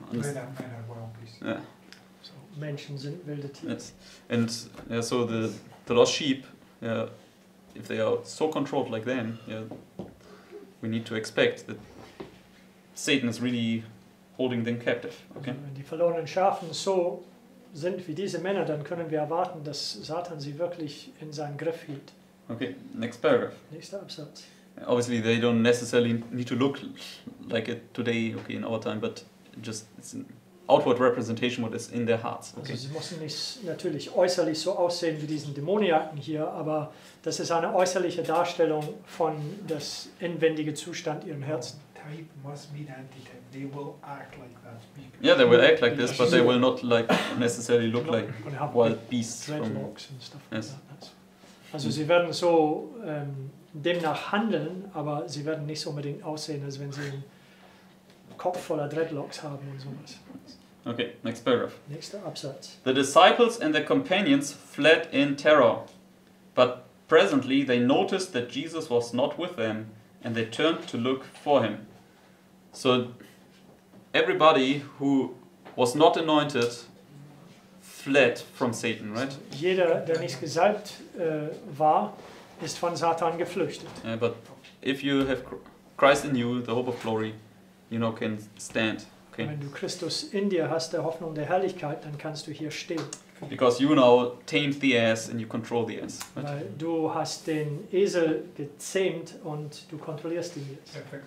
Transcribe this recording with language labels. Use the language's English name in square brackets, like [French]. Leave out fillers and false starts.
[English] understand. Men are wild beasts. Yeah. So mentions in wild teeth. Yes. And yeah, so the lost sheep, yeah, if they are so controlled like them, yeah, we need to expect that Satan is really holding them captive. Okay. [German] So wenn die verlorenen Schafen so sind wie diese Männer, dann können wir erwarten, dass Satan sie wirklich in seinen Griff hielt. [English] Okay, next paragraph. [German] Nächster Absatz. [English] Obviously, they don't necessarily need to look like it today, okay, in our time, but just it's an outward representation what is in their hearts. Okay. [German] Also sie müssen nicht natürlich äußerlich so aussehen wie diesen Dämoniaken hier, aber das ist eine äußerliche Darstellung von das inwendige Zustand ihrem Herzen. [English] Type must meet antitype. They will act like that. Because yeah, they will act like this, but they will not like necessarily look like wild beasts. Dreadlocks from and stuff like that. [German] Also sie werden so demnach handeln, aber sie werden nicht so unbedingt aussehen, als wenn sie einen Kopf voller Dreadlocks haben und sowas. [English] Okay, next paragraph. [German] Nächster Absatz. [English] The disciples and their companions fled in terror, but presently they noticed that Jesus was not with them, and they turned to look for him. So everybody who was not anointed fled from Satan, right? [German] Jeder, der nicht gesalbt war, ist von Satan geflüchtet. [English] Yeah, but if you have Christ in you, the hope of glory, you know, can stand. Okay. [German] Wenn du Christus in dir hast, der Hoffnung der Herrlichkeit, dann kannst du hier stehen. [English] Because you now tamed the ass and you control the ass. [German] Weil du hast den Esel gezähmt und du kontrollierst ihn jetzt.